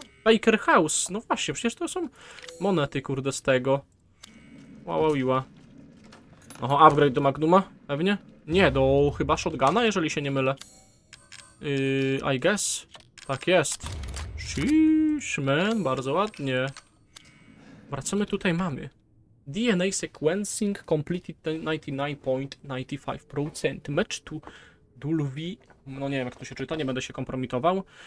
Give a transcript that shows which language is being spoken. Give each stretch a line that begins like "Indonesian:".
Polish: Baker House, no właśnie, przecież to są monety, kurde, z tego. Wow, iła. Oho, upgrade do Magnuma, pewnie? Nie, do chyba shotguna, jeżeli się nie mylę.
English: I guess.
Polish: Tak jest.
English: Sheesh, man,
Polish: bardzo ładnie. Wracamy tutaj, mamy.
English: DNA sequencing completed 99.95%. Match to Dulvi.
Polish: No nie wiem, jak to się czyta, nie będę się kompromitował.